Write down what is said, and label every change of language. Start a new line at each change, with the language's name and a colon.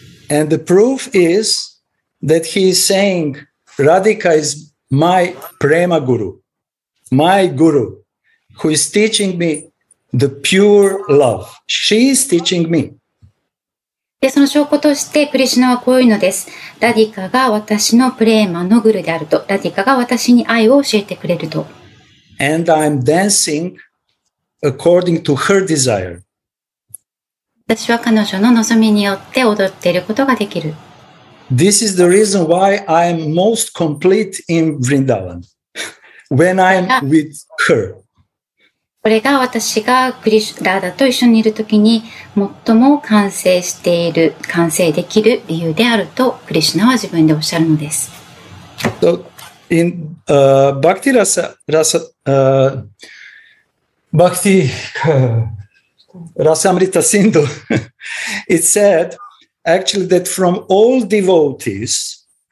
English: And the proof is that he is saying, Radhika is my prema guru, my guru, who is teaching me the pure love. She is teaching me.
Japanese: でその証拠としてクリシュナはこういうのです。ラディカが私のプレーマのグルであると、ラディカが私に愛を教えてくれると。
English: And I'm dancing according to her desire.
Japanese: 私は彼女の望みによって踊っていることができる。
English: This is the reason why I'm most complete in Vrindavan when I'm with her.
Japanese: これが私がクリシュナと一緒にいるときに最も完成している、完成できる理由であるとクリシュナは自分でおっしゃるのです。
English: So, in, Bhakti Rasa, Rasa, Bhakti, Rasamrita Sindhu, it said actually that from all devotees,